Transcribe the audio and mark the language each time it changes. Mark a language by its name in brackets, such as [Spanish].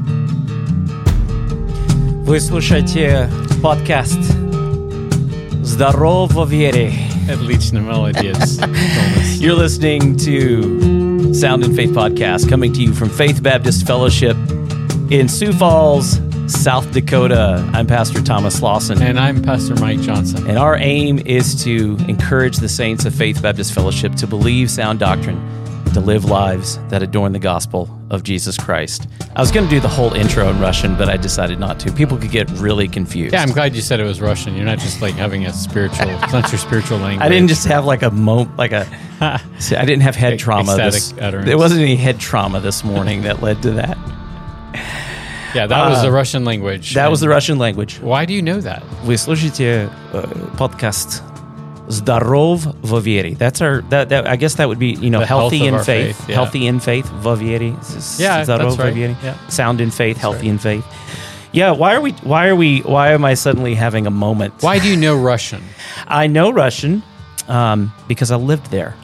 [Russian] Вы слушаете подкаст «Здорово, Вере». Отлично, молодец. [English] You're listening to Sound and Faith Podcast, coming to you from Faith Baptist Fellowship in Sioux Falls, South Dakota. I'm Pastor Thomas Lawson. And I'm Pastor Mike Johnson. And our aim is to encourage the saints of Faith Baptist Fellowship to believe sound doctrine, to live lives that adorn the gospel of Jesus Christ. I was going to do the whole intro in Russian, but I decided not to. People could get really confused. Yeah, I'm glad you said it was Russian. You're not just like having a spiritual, it's not your spiritual language. I didn't just have like a moment, like a, see, I didn't have head trauma. Ecstatic utterance. There wasn't any head trauma this morning that led to that. Yeah, that was the Russian language. Why do you know that? [Russian] Вы слушаете подкаст «Здоров во вере». [English] That's our, that, I guess that would be, you know, the healthy health in faith. Faith. Yeah. Healthy in faith, [Russian] во вере. [English] Yeah, [Russian] Здоров [English] that's right. [Russian] Во вере. [English] Yeah. Sound in faith, that's healthy right. In faith. Yeah, why am I suddenly having a moment? Why do you know Russian? I know Russian because I lived there.